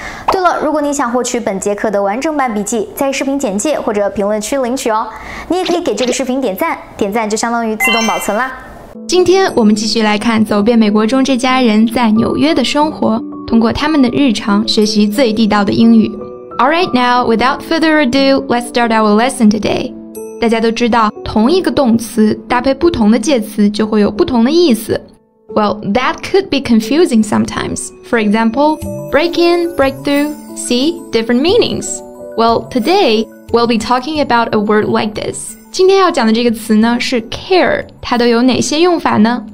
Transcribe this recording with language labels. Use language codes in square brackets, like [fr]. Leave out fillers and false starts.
[zh] 对了，如果你想获取本节课的完整版笔记，在视频简介或者评论区领取哦。你也可以给这个视频点赞，点赞就相当于自动保存啦。今天我们继续来看走遍美国中这家人在纽约的生活，通过他们的日常学习最地道的英语。 [en] Alright, now, without further ado, let's start our lesson today. [zh] 大家都知道，同一个动词搭配不同的介词就会有不同的意思。 [en] Well, that could be confusing sometimes. For example, break in, break through, see, different meanings. Well, today, we'll be talking about a word like this. [zh] 今天要讲的这个词呢是 care, 它都有哪些用法呢？